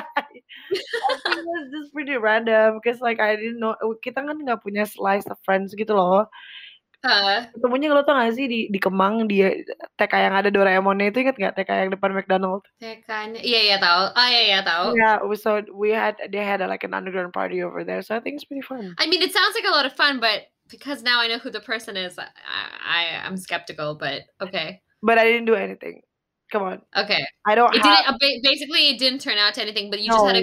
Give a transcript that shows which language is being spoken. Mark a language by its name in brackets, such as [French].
[English] I think it was just pretty random, because like I didn't know, [Indonesian] kita kan nggak punya slice of friends gitu loh. Ketemunya lo tau gak sih di Kemang, di TK yang ada Doraemonnya itu, inget gak TK yang depan McDonald? Tekannya, iya, tahu. Oh, iya, tahu. [English] Yeah, so they had like an underground party over there, so I think it's pretty fun. I mean, it sounds like a lot of fun, but because now I know who the person is, I'm skeptical, but okay. But I didn't do anything. Come on. Okay. I don't It have. didn't, basically, it didn't turn out to anything, but you just had a